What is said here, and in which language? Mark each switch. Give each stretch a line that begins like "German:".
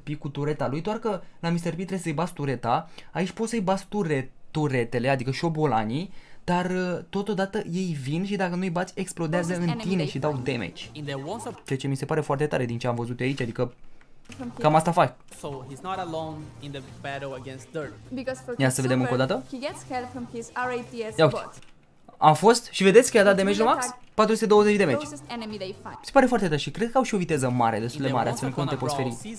Romanian: P cu tureta lui, doar că la Mr. P trebuie să-i bați tureta. Aici poți să-i bați turetele, adică șobolanii, dar totodată ei vin și dacă nu-i bați, explodează în tine și dau damage. Ceea ce mi se pare foarte tare din ce am văzut aici, adică cam asta fac.
English: So he's not alone in the battle against Dirt.
Romanian: Ia să vedem încă o dată.
English: He gets help from his RATS bot.
Romanian: Am fost și vedeți că i-a dat damage max? 420 damage. Se pare foarte tare și cred că au și o viteză mare, destul de mare, astfel încât nu te poți feri.